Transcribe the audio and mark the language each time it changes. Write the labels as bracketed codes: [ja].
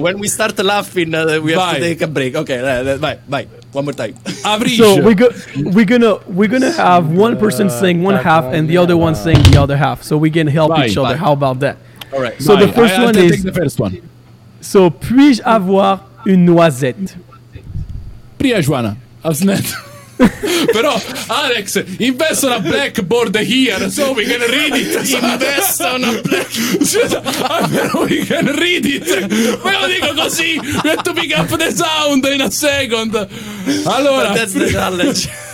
[en] When we start laughing, we have to take a break. Okay, bye. One more time. So we're gonna have one person saying one half and the other one saying the other half. So we can help each other. How about that? All right. So the first one is the first one. [fr] So puis-je avoir une noisette? Puis-je avoir une noisette? [en] Però Alex, invest on a blackboard here so we can read it. Invest on a blackboard. We can read it. [it] Ve lo dico così. [en] We have to pick up the sound in a second. [it] Allora. [en] But that's the challenge.